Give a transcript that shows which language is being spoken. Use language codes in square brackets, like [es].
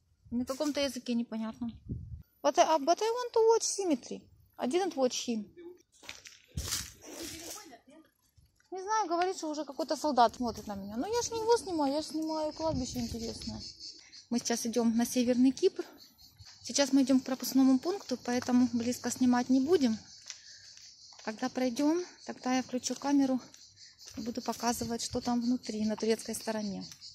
[ru] На каком-то языке непонятно. [en] But I want to watch Symmetry. I didn't watch him. [ru] Не знаю, говорит, что уже какой-то солдат смотрит на меня. Но я ж не его снимаю, я ж снимаю кладбище интересное. Мы сейчас идем на Северный Кипр. Сейчас мы идем к пропускному пункту, поэтому близко снимать не будем. Когда пройдем, тогда я включу камеру и буду показывать, что там внутри, на турецкой стороне.